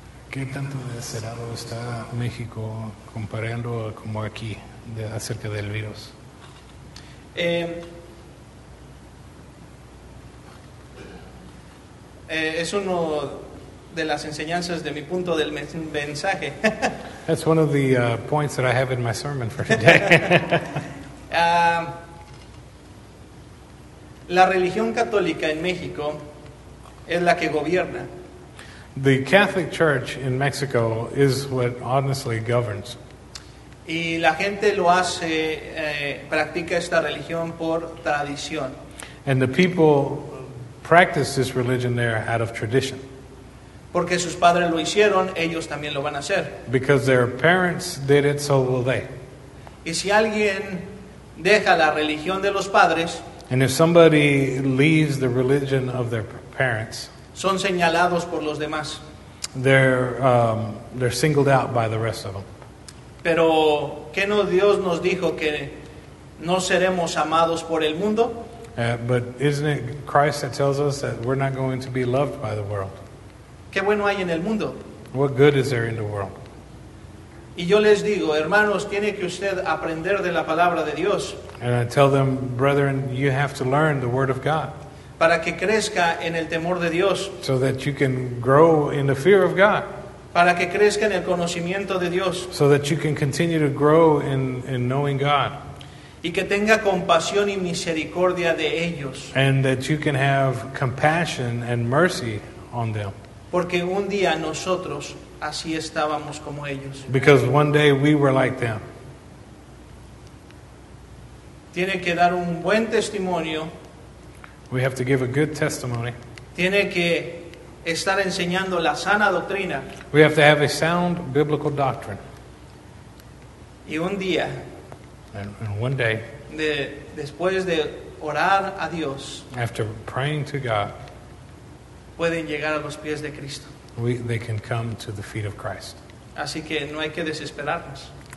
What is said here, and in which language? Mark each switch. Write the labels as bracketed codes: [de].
[es] ¿Qué tanto desesperado está México comparando como aquí de, acerca del virus? Es uno de las enseñanzas de mi punto del mensaje. [en] That's one of the points that I have in my sermon for today. [es] La religión católica en México es la que gobierna. [en] The Catholic Church in Mexico is what honestly governs. [es] Y la gente lo hace, practica esta religión por tradición. [en] And the people practice this religion there out of tradition. [es] Porque sus padres lo hicieron, ellos también lo van a hacer. [en] Because their parents did it, so will they. [es] Y si alguien deja la religión de los padres, [en] and if somebody leaves the religion of their parents, [es] son señalados por los demás. [en] They're singled out by the rest of them. [es] Pero ¿qué no Dios nos dijo que no seremos amados por el mundo? [en] But isn't it Christ that tells us that we're not going to be loved by the world? [es] ¿Qué bueno hay en el mundo? [en] What good is there in the world? [es] Y yo les digo, hermanos, tiene que usted aprender de la palabra de Dios. [en] And I tell them, brethren, you have to learn the word of God. [es] Para que crezca en el temor de Dios. [en] So that you can grow in the fear of God. [es] Para que crezca en el conocimiento de Dios. [en] So that you can continue to grow in knowing God. [es] Y que tenga compasión y misericordia de ellos. [en] And that you can have compassion and mercy on them. [es] Porque un día nosotros así estábamos como ellos. [en] Because one day we were like them. [es] Tiene que dar un buen testimonio. [en] We have to give a good testimony. [es] Tiene que estar enseñando la sana doctrina. [en] We have to have a sound biblical doctrine. [es] Y un día, [en] and one day, [es] después de orar a Dios, [en] after praying to God, [es] pueden llegar a los pies de Cristo. [en] They can come to the feet of Christ. [es] Así que no hay que desesperarnos.